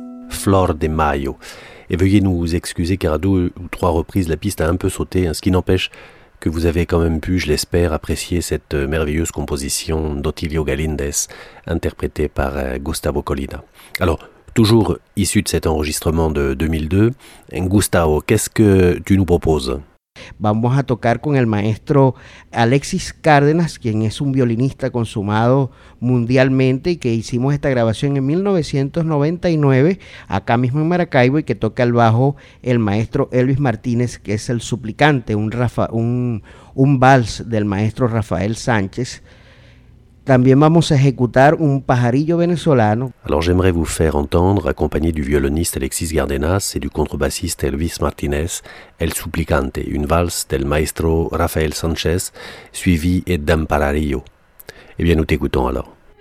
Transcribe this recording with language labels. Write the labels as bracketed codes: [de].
[fr] Flor de Mayo. Et veuillez nous excuser car à deux ou trois reprises la piste a un peu sauté, hein, ce qui n'empêche que vous avez quand même pu, je l'espère, apprécier cette merveilleuse composition d'Otilio Galíndez, interprétée par Gustavo Colina. Alors, toujours issu de cet enregistrement de 2002, Gustavo, qu'est-ce que tu nous proposes ? [es] Vamos a tocar con el maestro Alexis Cárdenas, quien es un violinista consumado mundialmente y que hicimos esta grabación en 1999 acá mismo en Maracaibo, y que toca el bajo el maestro Elvis Martínez, que es el suplicante, un vals del maestro Rafael Sánchez. También vamos a ejecutar un pajarillo venezolano. [fr] Alors j'aimerais vous faire entendre, accompagné du violoniste Alexis Cárdenas et du contrebassiste Elvis Martinez, El Suplicante, une valse del maestro Rafael Sánchez, suivie d'un pajarillo. Eh bien, nous t'écoutons alors.